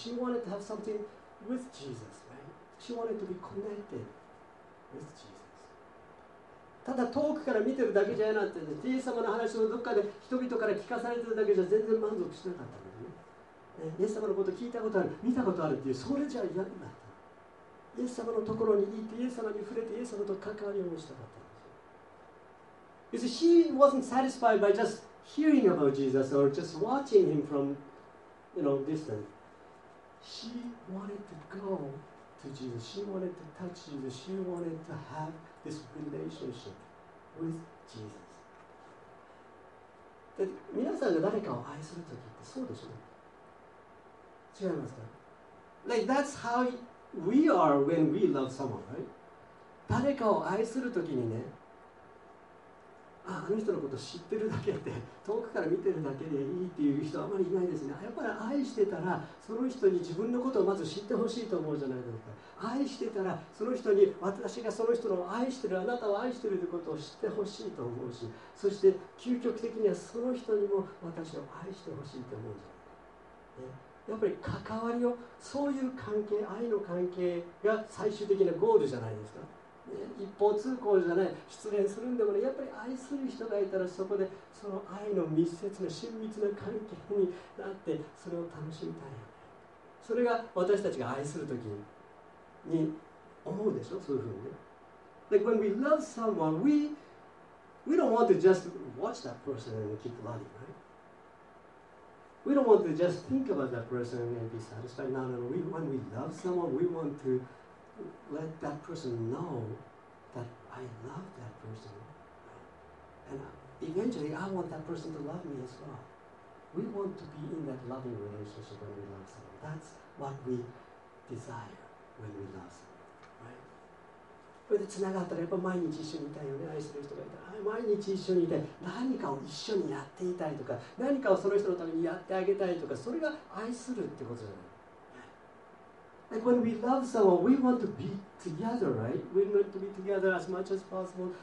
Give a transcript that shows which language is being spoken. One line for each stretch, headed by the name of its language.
English: She wanted to have something with Jesus, right? She wanted to be connected with Jesus.
Japanese: ただ遠くから見てるだけじゃなくて、ね、イエス様の話をどっかで人々から聞かされてるだけじゃ全然満足しなかったのね。イエス様のこと聞いたことある、見たことあるっていう、それじゃ嫌になった。イエス様のところに行って、イエス様に触れて、イエス様と関わりを持ちたかったんですよ。
English: You see, she wasn't satisfied by just hearing about Jesus or just watching him from, you know, distance. She wanted to go to Jesus. She wanted to touch Jesus. She wanted to have this relationship with Jesus.
Japanese: で、皆さんが誰かを愛するときってそうでしょ？違いますか？
English: Like that's how we are when we love someone, right?
Japanese: 誰かを愛するときにね、あの人のこと知ってるだけで、遠くから見てるだけでいいっていう人あまりいないですね。やっぱり愛してたら、その人に自分のことをまず知ってほしいと思うじゃないですか。愛してたら、その人に私がその人を愛してる、あなたを愛してるということを知ってほしいと思うし、そして究極的にはその人にも私を愛してほしいと思うじゃないですか。ね、やっぱり関わりを、そういう関係、愛の関係が最終的なゴールじゃないですか。ね、一方通行じゃない、失恋するんでもね、やっぱり愛する人がいたらそこでその愛の密接な、親密な関係になって、それを楽しみたい。それが私たちが愛するときに思うでしょ、そういうふうにね。
English: Like when we love someone, we don't want to just watch that person and keep loving, right? We don't want to just think about that person and be satisfied. No, no, no. When we love someone, we want to let that person know that I love that person. And eventually, I want that person to love me as well. We want to be in that loving relationship when we love someone. That's what we desire when we love someone.
Japanese: これでつながったらやっぱ毎日一緒にいたいよね。愛する人がいたら毎日一緒にいたい、何かを一緒にやっていたいとか、何かをその人のためにやってあげたいとか、それが愛するってことじゃない。
English: Like when we love someone, we want to be together, right? We want to be together as much as possible.